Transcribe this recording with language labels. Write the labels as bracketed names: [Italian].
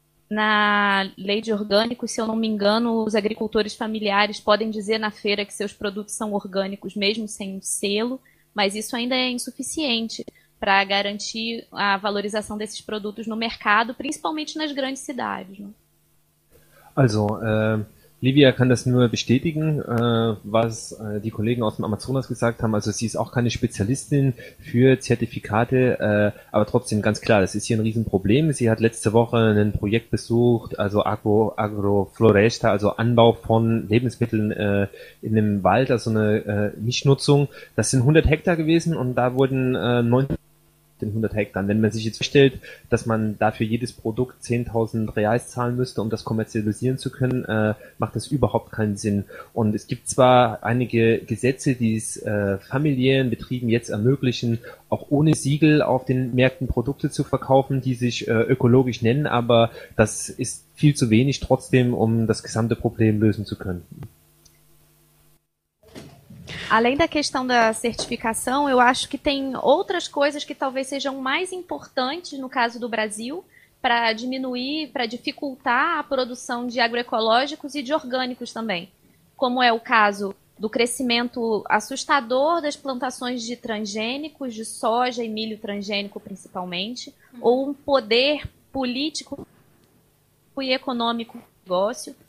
[Portuguese] Na lei de orgânicos, se eu não me engano, os agricultores familiares podem dizer na feira que seus produtos são orgânicos, mesmo sem um selo, mas isso ainda é insuficiente para garantir a valorização desses produtos no mercado, principalmente nas grandes cidades. Né? [German] Also, Livia kann das nur bestätigen, was die Kollegen aus dem Amazonas gesagt haben. Also sie ist auch keine Spezialistin für Zertifikate, aber trotzdem ganz klar, das ist hier ein Riesenproblem. Sie hat letzte Woche ein Projekt besucht, also Agrofloresta, also Anbau von Lebensmitteln in einem Wald, also eine Mischnutzung. Das sind 100 Hektar gewesen und da wurden 100 Hektar. Wenn man sich jetzt vorstellt, dass man dafür jedes Produkt 10.000 Reais zahlen müsste, um das kommerzialisieren zu können, macht das überhaupt keinen Sinn. Und es gibt zwar einige Gesetze, die es familiären Betrieben jetzt ermöglichen, auch ohne Siegel auf den Märkten Produkte zu verkaufen, die sich ökologisch nennen, aber das ist viel zu wenig trotzdem, um das gesamte Problem lösen zu können. [Portuguese] Além da questão da certificação, eu acho que tem outras coisas que talvez sejam mais importantes no caso do Brasil para diminuir, para dificultar a produção de agroecológicos e de orgânicos também, como é o caso do crescimento assustador das plantações de transgênicos, de soja e milho transgênico principalmente, ou um poder político e econômico do negócio.